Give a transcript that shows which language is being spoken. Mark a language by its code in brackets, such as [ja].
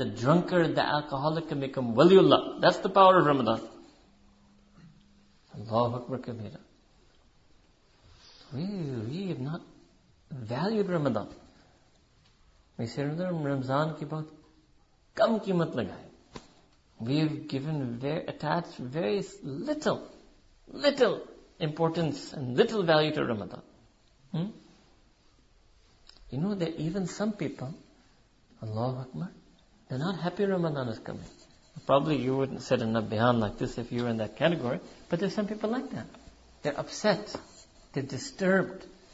[en] The drunkard, the alcoholic can become waliullah. That's the power of Ramadan. Allahu Akbar Kabira. We have not valued Ramadan. We say [ur] رمضان کی بہت کم قیمت لگائے۔ [en] We have given attached very little importance and little value to Ramadan. You know that even some people, Allahu Akbar, they're not happy Ramadan is coming. Probably you wouldn't sit in a bihan like this if you were in that category, but there's some people like that. They're upset. They're disturbed.